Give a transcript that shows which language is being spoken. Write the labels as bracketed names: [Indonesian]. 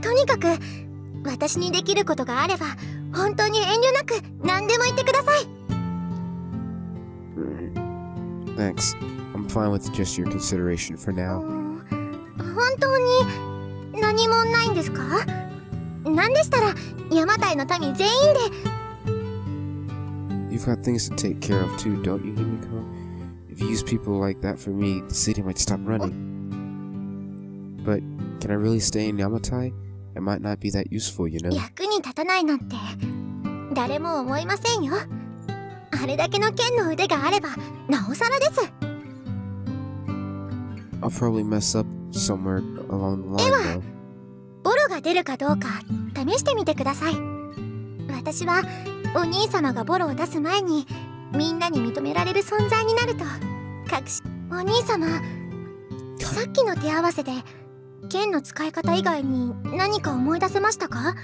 [Japanese] とにかく、私にできることがあれば、本当に遠慮なく何でも言ってください。 [English] Thanks. I'm fine with just your consideration for now. [Japanese] 本当に何もないんですか?なんでしたら、ヤマタイの民全員で。 [English] You've got things to take care of too, don't you, Himiko? If you use people like that for me, the city might stop running. But can I really stay in Yamatai? It might not be that useful, you know? [Japanese] 役に立たないなんて、誰も思いませんよ。あれだけの剣の腕があれば、なおさらです。 [English] I'll probably mess up somewhere along the line, though. [Japanese] ボロが出るかどうか試してみてください。私はお兄様がボロを出す前にみんなに認められる存在になると確信。お兄様、さっきの手合わせで剣の使い方以外に何か思い出せましたか？